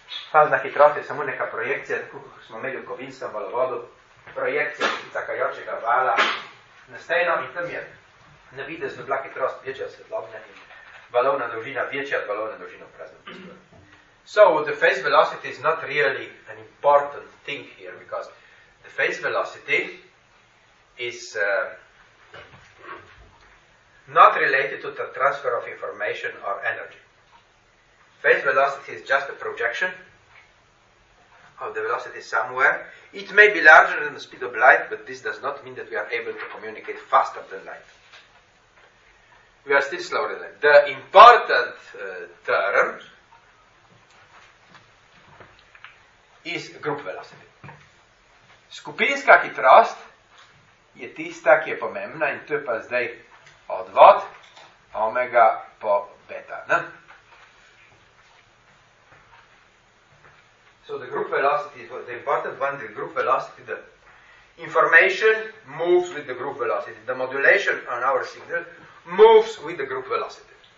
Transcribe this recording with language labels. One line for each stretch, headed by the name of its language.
Slovenian: Fazna hitrost je samo neka projekcija, tako kot smo imeli v kovinskem valovodu, projekcija takajočega vala na steno in tam je na videz, da bila hitrost večja od svetlobne in valovna dolžina večja od valovne dolžine v praznem prostoru.
English: So, the phase velocity is not really an important thing here, because the phase velocity is not related to the transfer of information or energy. Phase velocity is just a projection of the velocity somewhere. It may be larger than the speed of light, but this does not mean that we are able to communicate faster than light. We are still slower than that. The important term is group velocity.
Slovenian: Skupinska hitrost je tista, ki je pomembna in to je pa zdaj odvod omega po beta. Ne?
English: So the group velocity is the important one, the group velocity, the information moves with the group velocity. The modulation on our signal moves with the group velocity.